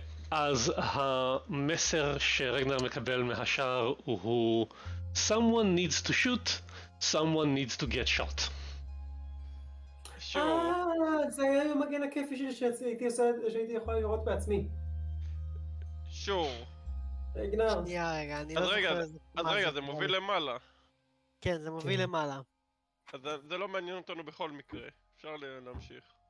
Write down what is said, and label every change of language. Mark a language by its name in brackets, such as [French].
[Hebrew] אז המסר שרגנר מקבל מהשאר הוא... [English] Someone needs to shoot, someone needs to get shot. [Hebrew] אה, זה היה המגן הכיפי שהייתי יכול לראות בעצמי. שור. רגנר. אז רגע, זה מוביל למעלה. כן, זה מוביל למעלה. אז זה לא מעניין אותנו בכל מקרה, אפשר להמשיך.